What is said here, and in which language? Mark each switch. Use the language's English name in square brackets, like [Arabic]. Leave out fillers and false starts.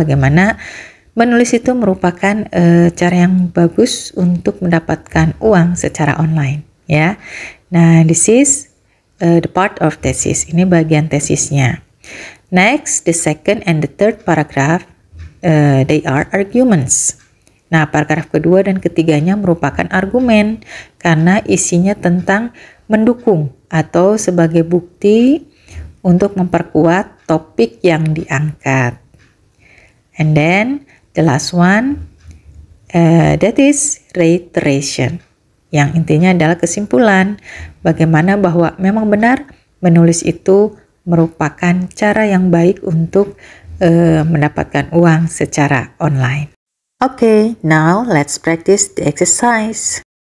[Indonesian] Bagaimana menulis itu merupakan cara yang bagus untuk mendapatkan uang secara online, ya. [English] Nah, this is the part of thesis, [Indonesian] ini bagian tesisnya. [English] Next, the second and the third paragraph, they are arguments. [Indonesian] Nah, paragraf kedua dan ketiganya merupakan argumen karena isinya tentang mendukung atau sebagai bukti untuk memperkuat topik yang diangkat. [English] And then, the last one, that is reiteration. [Indonesian] Yang intinya adalah kesimpulan bagaimana bahwa memang benar menulis itu merupakan cara yang baik untuk mendapatkan uang secara online. [English] Okay, now let's practice the exercise.